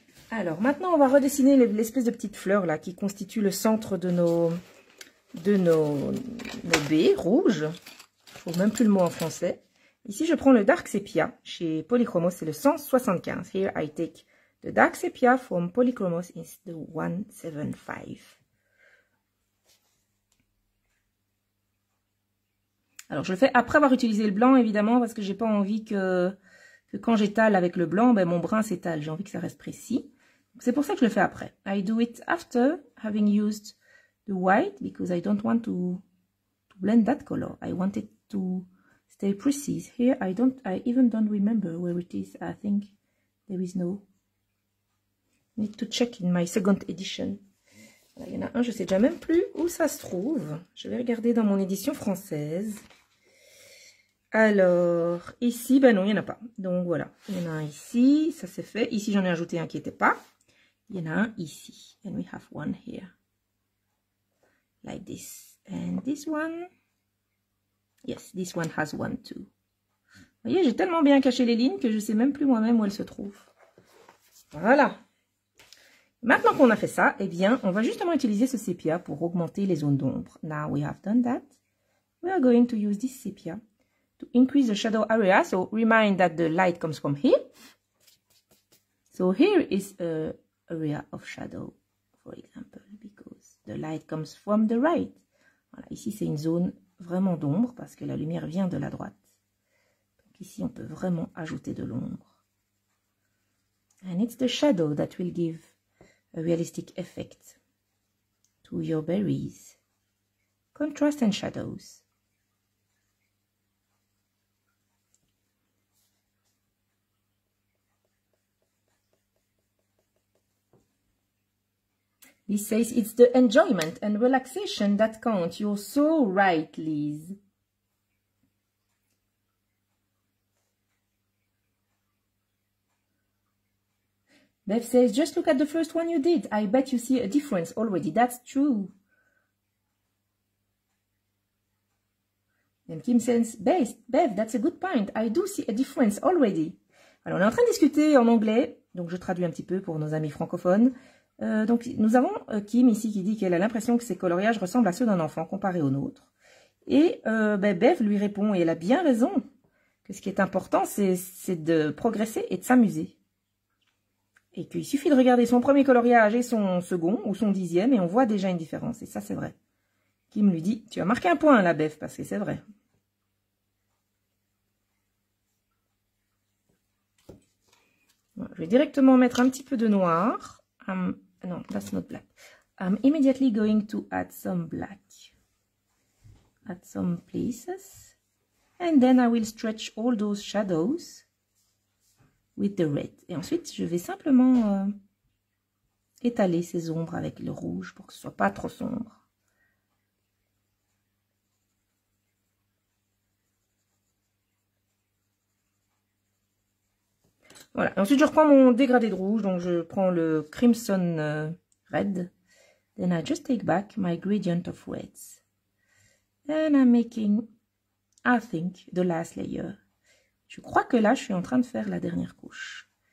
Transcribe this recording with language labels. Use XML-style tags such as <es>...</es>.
<fr>Alors maintenant on va redessiner l'espèce de petite fleur là qui constitue le centre de nos baies rouges. Je trouve même plus le mot en français. Ici, je prends le Dark Sepia chez Polychromos, c'est le 175.</fr> <en>Here, I take the Dark Sepia from Polychromos, it's the 175.</en> <fr>Alors, je le fais après avoir utilisé le blanc, évidemment, parce que j'ai pas envie que quand j'étale avec le blanc, ben, mon brin s'étale. J'ai envie que ça reste précis. C'est pour ça que je le fais après.</fr> <en>I do it after having used the white, because I don't want to blend that color. I wanted to... stay precise. Here, I even don't remember where it is. I think there is no need to check in my second edition.</en> <fr>Il y en a un, je sais déjà même plus où ça se trouve. Je vais regarder dans mon édition française. Alors, ici, ben non, il n'y en a pas. Donc voilà, il y en a un ici, ça s'est fait. Ici, j'en ai ajouté un qui n'était pas. Il y en a un ici.</fr> <en>And we have one here. Like this. And this one. Yes, this one has one too.</en> <fr>Vous voyez, j'ai tellement bien caché les lignes que je ne sais même plus moi-même où elles se trouvent. Voilà. Maintenant qu'on a fait ça, eh bien, on va justement utiliser ce sépia pour augmenter les zones d'ombre.</fr> <en>Now we have done that. We are going to use this sepia to increase the shadow area. So, remind that the light comes from here. So, here is an area of shadow, for example, because the light comes from the right. Voilà, ici, c'est une zone vraiment d'ombre parce que la lumière vient de la droite. Donc ici, on peut vraiment ajouter de l'ombre. And it's the shadow that will give a realistic effect to your berries. Contrast and shadows. He says, it's the enjoyment and relaxation that count. You're so right, Liz. Deb Bev says, just look at the first one you did. I bet you see a difference already. That's true. And Kim says, Bev, that's a good point. I do see a difference already.</en> <fr>Alors, on est en train de discuter en anglais. Donc, je traduis un petit peu pour nos amis francophones. Donc, nous avons Kim ici qui dit qu'elle a l'impression que ses coloriages ressemblent à ceux d'un enfant comparé au nôtre. Et Bev lui répond, et elle a bien raison, que ce qui est important, c'est de progresser et de s'amuser. Et qu'il suffit de regarder son premier coloriage et son second ou son dixième, et on voit déjà une différence. Et ça, c'est vrai. Kim lui dit, tu as marqué un point là, Bev, parce que c'est vrai. Je vais directement mettre un petit peu de noir.</fr> <en>Non, that's not black. I'm immediately going to add some black at some places. And then I will stretch all those shadows with the red.</en> <fr>Et ensuite, je vais simplement étaler ces ombres avec le rouge pour que ce ne soit pas trop sombre. Voilà. Ensuite, je reprends mon dégradé de rouge. Donc, je prends le Crimson Red.</fr> <en>Then I just take back my gradient of reds. And I'm making, I think, the last layer.</en> <fr>Je crois que là, je suis en train de faire la dernière couche.</fr>